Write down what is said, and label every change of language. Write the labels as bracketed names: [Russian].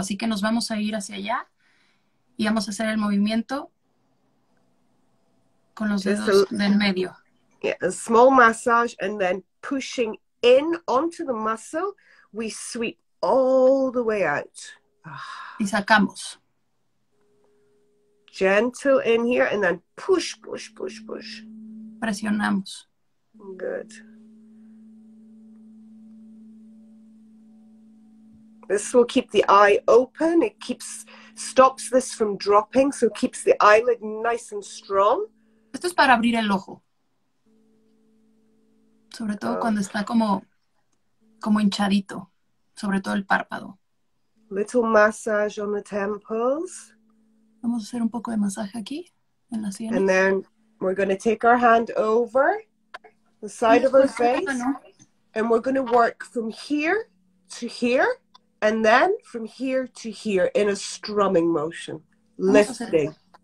[Spanish] Así que nos vamos a ir hacia allá. Y vamos a hacer el movimiento con los dedos del medio. [English] Yeah, a small massage and then pushing in onto the muscle, we sweep all the way out. [Spanish] Y sacamos. [English] Gentle in here and then push, push, push, push. [Spanish] Presionamos. [English] Good. This will keep the eye open. It keeps, stops this from dropping, so keeps the eyelid nice and strong. [Spanish] Esto es para abrir el ojo. Sobre todo cuando está como hinchadito, sobre todo el párpado. [English] Little massage on the temples. [Spanish] Vamos a hacer un poco de masaje aquí, en la sien. [English] And then we're going to take our hand over the side of our face. And we're going to work from here to here. And then from here to here in a strumming motion, lifting.